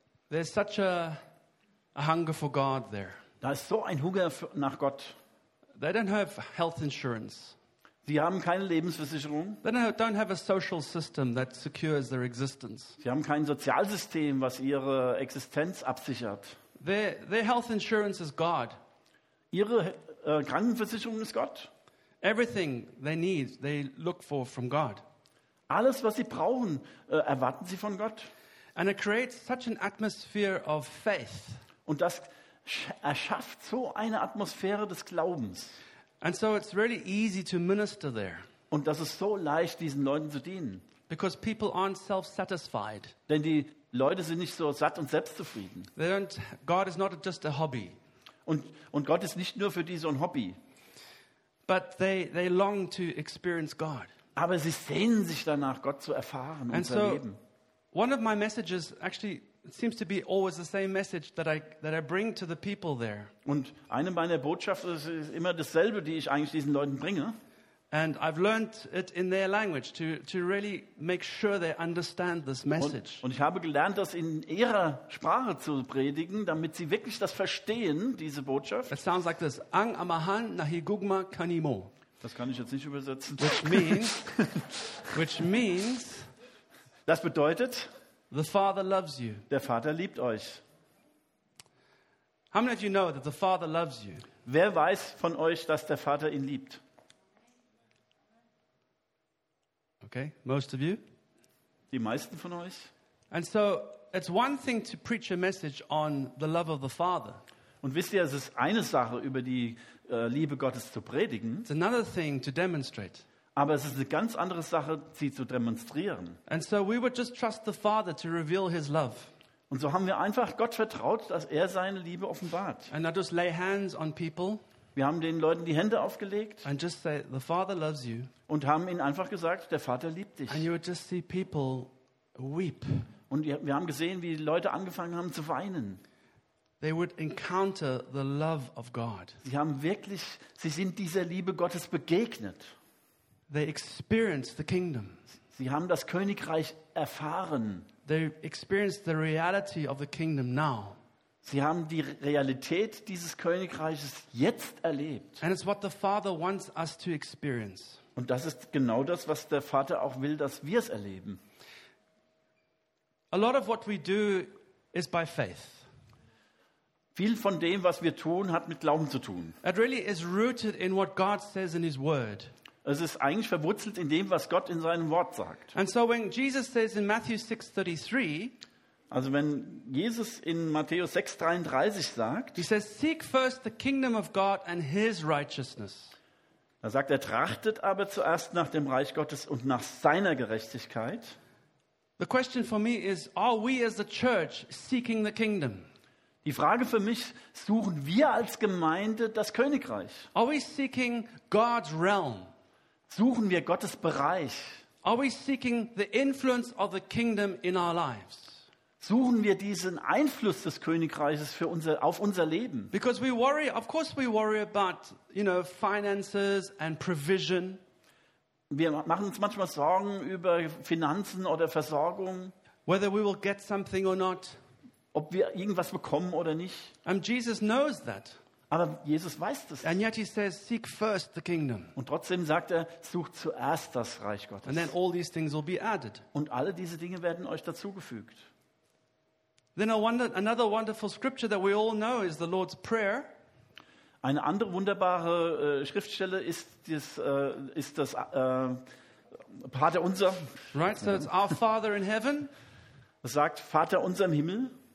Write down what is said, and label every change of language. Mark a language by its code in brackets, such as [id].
[en] there's such a hunger for God there. [de] Da ist so ein Hunger nach Gott. [en] They don't have health insurance. [de] Sie haben keine Lebensversicherung. [en] They don't have a social system that secures their existence. [de] Sie haben kein Sozialsystem, was ihre Existenz absichert. [en] Their health insurance is God. [de] Ihre Krankenversicherung ist Gott. [en] Everything they need, they look for from God. [de] Alles, was sie brauchen, erwarten sie von Gott. [en] And it creates such an atmosphere of faith. [de] Und das erschafft so eine Atmosphäre des Glaubens. [en] And so it's really easy to minister there. [de] Und das ist so leicht, diesen Leuten zu dienen. [en] Because people aren't self-satisfied. [de] Denn die Leute sind nicht so satt und selbstzufrieden. [en] They don't, God is not just a hobby. [de] Und Gott ist nicht nur für die so ein Hobby. [en] But they long to experience God. [de] Aber sie sehnen sich danach, Gott zu erfahren und zu erleben. [en] One of my messages actually seems to be always the same message that I bring to the people there. [de] Und eine meiner Botschaften ist immer dasselbe, die ich eigentlich diesen Leuten bringe. [en] And I've learned it in their language to really make sure they understand this message. [de] Und ich habe gelernt, das in ihrer Sprache zu predigen, damit sie wirklich das verstehen, diese Botschaft. [en] It sounds like this: [ceb] Ang amahan nahigugma kanimo. [de] Das kann ich jetzt nicht übersetzen. [en] Which means [de] das bedeutet, [en] the Father loves you. [de] Der Vater liebt euch. [en] How many of you know that the Father loves you? [de] Wer weiß von euch, dass der Vater ihn liebt? [en] Okay, most of you. [de] Die meisten von euch. [en] And so it's one thing to preach a message on the love of the Father. [de] Und wisst ihr, es ist eine Sache, über die Liebe Gottes zu predigen. [en] It's another thing to demonstrate. [de] Aber es ist eine ganz andere Sache, sie zu demonstrieren. [en] And so we would just trust the Father to reveal His love. [de] Und so haben wir einfach Gott vertraut, dass er seine Liebe offenbart. [en] And I just lay hands on people. [de] Wir haben den Leuten die Hände aufgelegt. [en] And just say, the Father loves you. [de] Und haben ihnen einfach gesagt, der Vater liebt dich. [en] And you would just see people weep. [de] Und wir haben gesehen, wie die Leute angefangen haben zu weinen. [en] They would encounter the love of God. [de] Sie haben wirklich, sie sind dieser Liebe Gottes begegnet. [en] They experienced the kingdom. [de] Sie haben das Königreich erfahren. [en] They experienced the reality of the kingdom now. [de] Sie haben die Realität dieses Königreiches jetzt erlebt. [en] And it's what the Father wants us to experience. [de] Und das ist genau das, was der Vater auch will, dass wir es erleben. [en] A lot of what we do is by faith. [de] Viel von dem, was wir tun, hat mit Glauben zu tun. [en] It really is rooted in what God says in His Word. [de] Es ist eigentlich verwurzelt in dem, was Gott in seinem Wort sagt. [en] And so when Jesus says in Matthew 6:33, [de] also wenn Jesus in Matthäus 6:33 sagt, [en] he says, seek first the kingdom of God and his righteousness. [de] Da sagt er, trachtet aber zuerst nach dem Reich Gottes und nach seiner Gerechtigkeit. [en] The question for me is, are we as a church seeking the kingdom? [de] Die Frage für mich, suchen wir als Gemeinde das Königreich? [en] Are we seeking God's realm? [de] Suchen wir Gottes Bereich? [en] Are we seeking the influence of the kingdom in our lives? [de] Suchen wir diesen Einfluss des Königreiches für unser auf unser Leben? [en] Because we worry, of course we worry about, you know, finances and provision. [de] Wir machen uns manchmal Sorgen über Finanzen oder Versorgung, [en] whether we will get something or not, [de] ob wir irgendwas bekommen oder nicht. [en] And Jesus knows that. [de] Aber Jesus weiß das. [en] And yet he says, seek first the kingdom. [de] Und trotzdem sagt er, sucht zuerst das Reich Gottes. [en] And then all these things will be added. [de] Und alle diese Dinge werden euch dazugefügt. [en] Then another wonderful scripture that we all know is the Lord's Prayer. [de] Eine andere wunderbare Schriftstelle ist das Pater Unser. [en] Right, so it's our Father in heaven. [de] Es sagt, Vater Unser im Himmel.